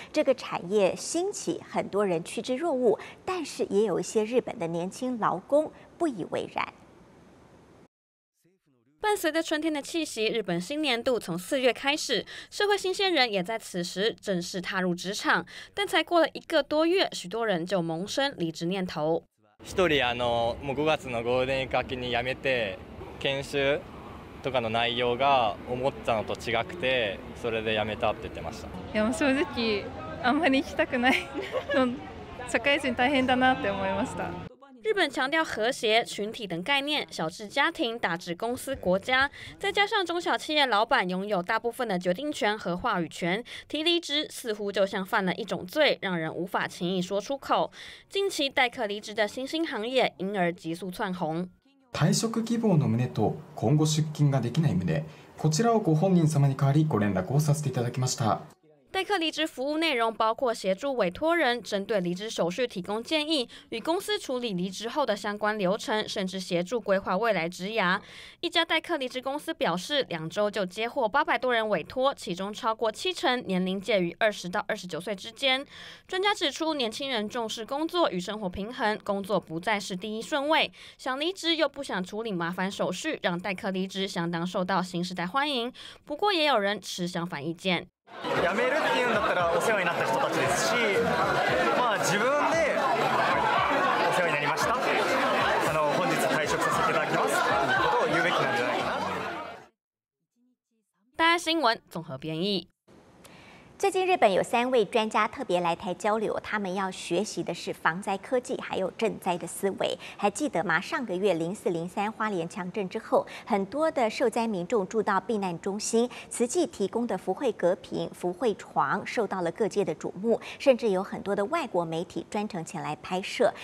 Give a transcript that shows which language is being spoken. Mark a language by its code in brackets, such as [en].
[zh] 这个产业兴起，很多人趋之若鹜，但是也有一些日本的年轻劳工不以为然。伴随着春天的气息，日本新年度从4月开始，社会新鲜人也在此时正式踏入职场。但才过了1个多月，许多人就萌生离职念头。 [ja] 一人もう5月のゴールデンウィーク明けに辞めて、研修とかの内容が思ったのと違くて、それで辞めたって言ってました。いや、正直あんまり行きたくない。社会人大変だなって思いました。 [zh] 日本强调和谐、群体等概念，小至家庭，大至公司、国家。再加上中小企业老板拥有大部分的决定权和话语权，提离职似乎就像犯了一种罪，让人无法轻易说出口。近期代客离职的新兴行业因而急速窜红。 [ja] 退職希望の旨と今後出勤ができない旨、こちらをご本人様に代わりご連絡をさせていただきました。 [zh] 代客离职服务内容包括协助委托人针对离职手续提供建议，与公司处理离职后的相关流程，甚至协助规划未来职涯。一家代客离职公司表示，2周就接获800多人委托，其中超过70%年龄介于20到29岁之间。专家指出，年轻人重视工作与生活平衡，工作不再是第一顺位，想离职又不想处理麻烦手续，让代客离职相当受到新时代欢迎。不过，也有人持相反意见。 [ja] 辞めるっていうんだったらお世話になった人たちですし、まあ、自分でお世話になりました、本日退職させていただきますということを言うべきなんじゃないかな。 [zh] 大新聞綜合編譯。最近日本有3位专家特别来台交流，他们要学习的是防灾科技还有赈灾的思维。还记得吗？上个月0403花莲强震之后，很多的受灾民众住到避难中心，慈济提供的福惠隔屏、福惠床受到了各界的瞩目，甚至有很多的外国媒体专程前来拍摄。